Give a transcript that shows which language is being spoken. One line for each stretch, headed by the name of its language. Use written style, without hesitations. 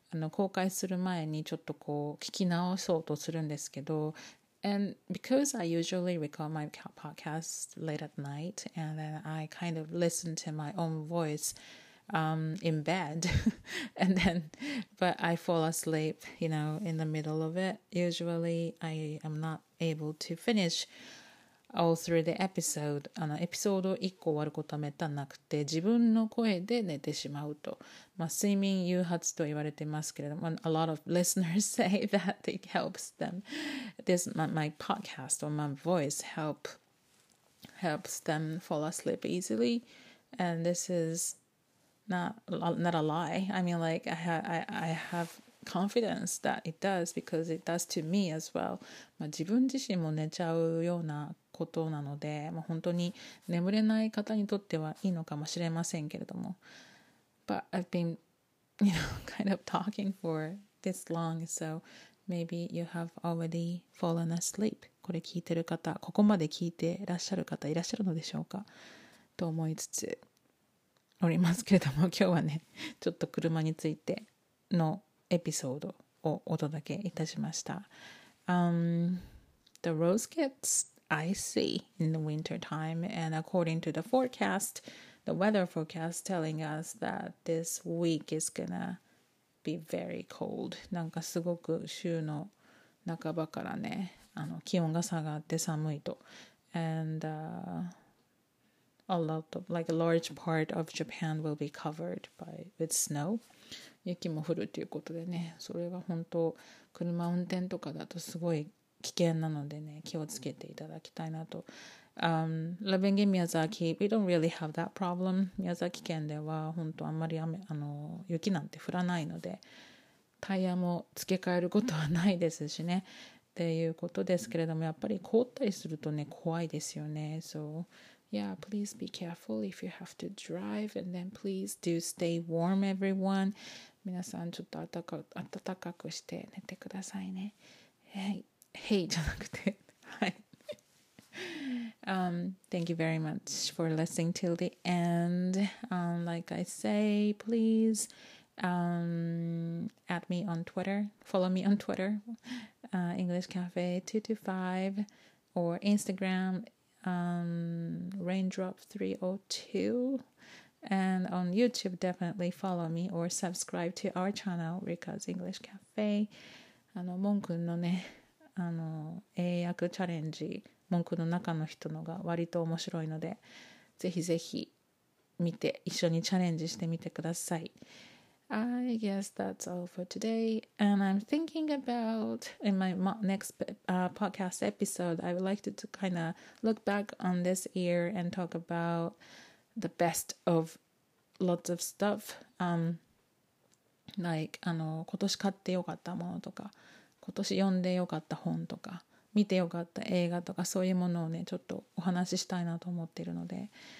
Japanese: 公開する前にちょっとこう聞き直そうとするんですけど、
English: And because I usually record my podcast late at night, and then I kind of listen to my own voice in bed, and then, but I fall asleep, you know, in the middle of it. Usually, I am not able to finish all through the episode.
Japanese: エピソード1個終わることはめったなくて、自分の声で寝てしまうと。まあ、睡眠誘発と言われてますけれども、
English: a lot of listeners say that it helps them. This, my podcast or my voice helps them fall asleep easily. And this is not a lie. I mean, like, I have confidence that it does because it does to me as well.
Japanese: まあ、自分自身も寝ちゃうようなことなので、まあ、本当に眠れない方にとってはいいのかもしれませんけれども。
English: But I've been, you know, kind of talking for this long, so maybe you have already fallen asleep.
Japanese: これ聞いてる方、ここまで聞いてらっしゃる方いらっしゃるのでしょうかと思いつつおりますけれども、今日はね、ちょっと車についてのエピソードをお届けいたしました。
English: The rose gets icy in the winter time, and according to the forecast,The weather forecast telling us that this week is gonna be very cold.
Japanese: なんかすごく週の半ばからね、気温が下がって寒いと。
English: And a lot of, like a large part of Japan will be covered with snow.
Japanese: 雪も降るということでね、それは本当、車運転とかだとすごい危険なのでね、気をつけていただきたいなと。
English: Living in Miyazaki, we don't really have that problem. 宮崎県
Japanese: では本当あんまり雨雪なんて降らないので、タイヤも付け替えることはないですしね。っていうことですけれども、やっぱり凍ったりするとね、怖いですよね。
English: So, yeah, please be careful if you have to drive, and then please do stay warm, everyone.
Japanese: 皆さんちょっと暖かくして寝てくださいね。
English: Hey,
Japanese: じゃなくて、はい。
English: Thank you very much for listening till the end. Like I say, please add me on Twitter, follow me on Twitter, English Cafe 225 or Instagram Raindrop 302, and on YouTube definitely follow me or subscribe to our channel Rika's English Cafe.
Japanese: モン君のね、英訳チャレンジ。文句の中の人のが割と面白いのでぜひぜひ見て一緒にチャレンジしてみてください
English: I guess that's all for today and I'm thinking about in my next podcast episode I would like to kind of look back on this year and talk about the best of lots of stuff like
Japanese: 今年買ってよかったものとか今年読んでよかった本とか見てよかった映画とかそういうものをねちょっとお話ししたいなと思っているので